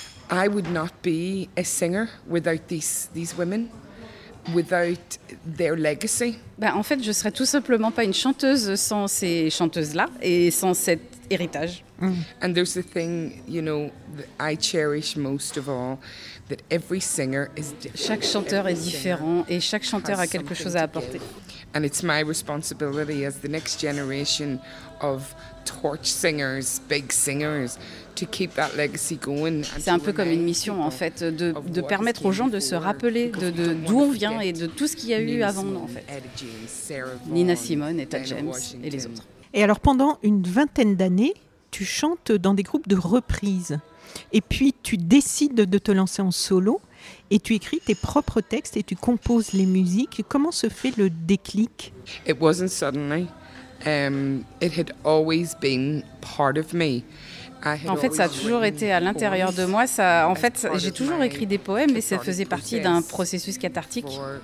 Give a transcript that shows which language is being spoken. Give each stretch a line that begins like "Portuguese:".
English: I would not be a singer without these women, without their legacy.
French: Ben, en fait, je ne serais tout simplement pas une chanteuse sans ces chanteuses-là et sans cet héritage.
English: And there's the thing, you know, that I cherish most of all, that every singer is different.
French: Chaque chanteur est différent et chaque chanteur a quelque chose à apporter.
English: And it's my responsibility as the next generation of torch singers, big singers, to keep that legacy going.
French: C'est un peu comme une mission, en fait, de permettre aux gens de se rappeler de d'où on vient et de tout ce qu'il y a eu avant, en fait. Nina Simone, Etta James et les autres. Et alors, pendant une vingtaine d'années, tu chantes dans des groupes de reprises. Et puis, tu décides de te lancer en solo et tu écris tes propres textes et tu composes les musiques. Comment se fait le déclic ?
English: It wasn't suddenly. It had always been part of me.
French: En fait, ça a toujours été à l'intérieur de moi. En fait, j'ai toujours écrit des poèmes, mais ça faisait partie d'un processus cathartique.